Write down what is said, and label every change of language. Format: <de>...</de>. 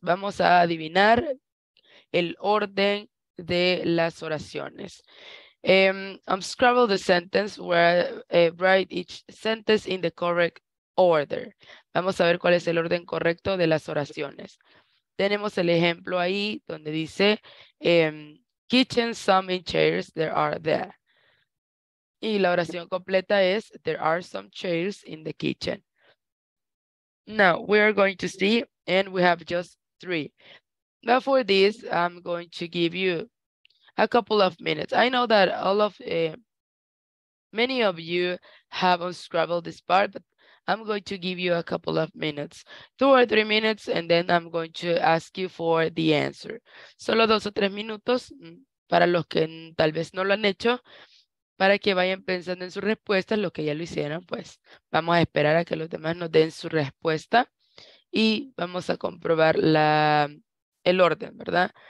<es>Vamos a adivinar el orden de las oraciones.</es> <en>Unscramble the sentence where write each sentence in the correct order.</en> <es>Vamos a ver cuál es el orden correcto de las oraciones. Tenemos el ejemplo ahí donde dice</es> <en>kitchen, some in chairs, there are there.</en> <es>Y la oración completa es</es> <en>there are some chairs in the kitchen. Now we are going to see and we have just three. But for this, I'm going to give you a couple of minutes. I know that many of you have unscrambled this part, but I'm going to give you a couple of minutes, 2 or 3 minutes, and then I'm going to ask you for the answer.</en> <es>Solo 2 o 3 minutos para los que tal vez no lo han hecho, para que vayan pensando en su respuesta, los que ya lo hicieron, pues vamos a esperar a que los demás nos den su respuesta y vamos a comprobar el orden, ¿verdad?</es>